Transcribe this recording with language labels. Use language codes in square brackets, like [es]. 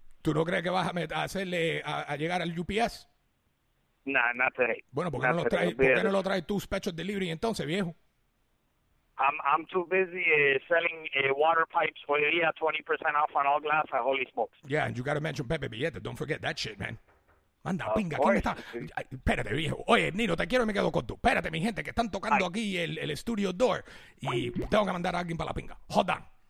[es] ¿Tú no crees que vas a hacerle a llegar al UPS? [en] Nah, not today. [es] Bueno, ¿por qué [en] not [es] no lo traes? ¿Por qué no lo traes tú [en] special delivery [es] entonces, viejo? [en] I'm too busy selling water pipes for the 20% off on all glass. Holy smokes. Yeah, and you got to mention Pepe Billete. Don't forget that shit, man. [es] Manda, pinga, ¿quién está? Espérate, viejo. Oye, Nino, te quiero y me quedo corto. Espérate, mi gente, que están tocando aquí el studio door. Y tengo que mandar a alguien para la pinga. [en] Hold on.